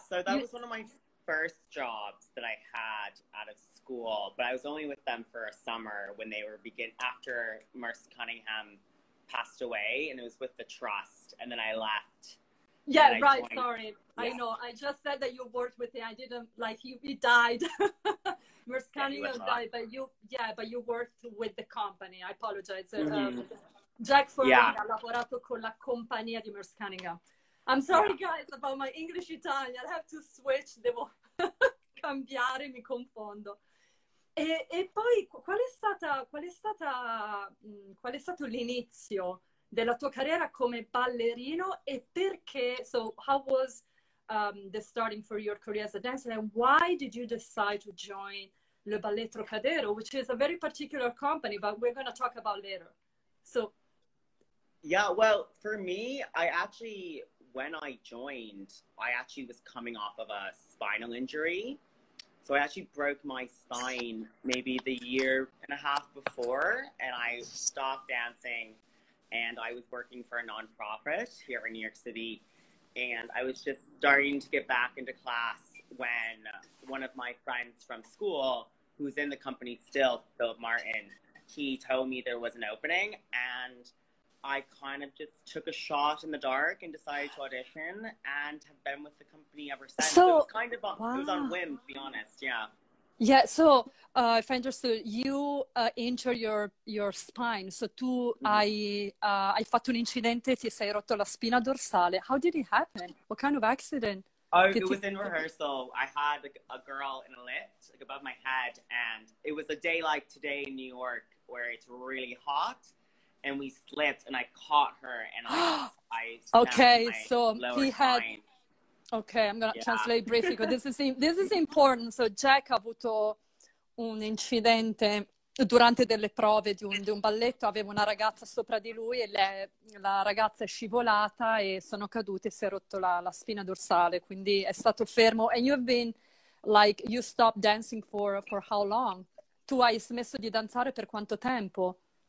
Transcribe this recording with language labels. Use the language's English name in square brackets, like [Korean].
[English] So that was one of my first jobs that I had out of school, but I was only with them for a summer when they were after Merce Cunningham passed away, and it was with the trust, and then I left. Yeah, I right, joined. Sorry. Yeah. I know. I just said that you worked with him. I didn't, like, he died. Merce Cunningham died, but you worked with the company. I apologize. Mm-hmm. [Italian] Jack Furlong ha lavorato con la compagnia di Merce Cunningham. [English] I'm sorry, guys, about my English Italian. I have to switch. [Italian] Devo cambiare, mi confondo. E poi qual è stato l'inizio della tua carriera come ballerino e perché? [English] So how was the starting for your career as a dancer and why did you decide to join Les Ballets Trocadero, which is a very particular company, but we're going to talk about later. So yeah, well, for me, I actually, when I joined, I actually was coming off of a spinal injury. So I actually broke my spine maybe the year and a half before, and I stopped dancing, and I was working for a nonprofit here in New York City, and I was just starting to get back into class when one of my friends from school, who's in the company still, Philip Martin, he told me there was an opening, and I kind of just took a shot in the dark and decided to audition and have been with the company ever since. So, it was kind of it was on whim, to be honest, yeah. Yeah, so if I understood, you injured your spine. [Italian] So tu hai fatto un incidente, ti sei rotto la spina dorsale. [English] How did it happen? What kind of accident? Oh, it was in rehearsal. I had a girl in a lift, like above my head, and it was a day like today in New York where it's really hot. And we slipped, and I caught her, and I okay, my so lower he Had. Okay, I'm gonna translate briefly because this is important. [Italian] So Jack ha avuto un incidente durante delle prove di un balletto. Aveva una ragazza sopra di lui e la ragazza è scivolata e sono cadute e si è rotto la spina dorsale. Quindi è stato fermo. [English] And you've been like you stopped dancing for how long? [Italian] Tu hai smesso di danzare per quanto tempo?